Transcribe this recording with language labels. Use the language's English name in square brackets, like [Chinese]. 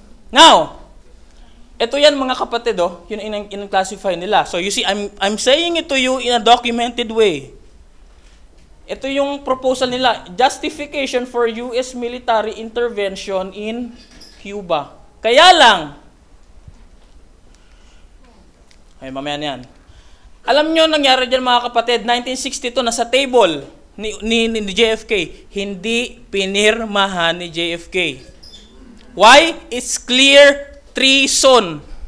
[Filipino] Now, ito yan mga kapatid, oh, yun ang in-classify nila. [English] So you see, I'm saying it to you in a documented way. [Filipino] Ito yung proposal nila, [English] justification for U.S. military intervention in Cuba. [Filipino] Kaya lang, ay mamaya niyan. Alam nyo nangyari dyan mga kapatid, 1962, nasa table ni JFK, hindi pinirmahan ni JFK. Why? [English] It's clear treason.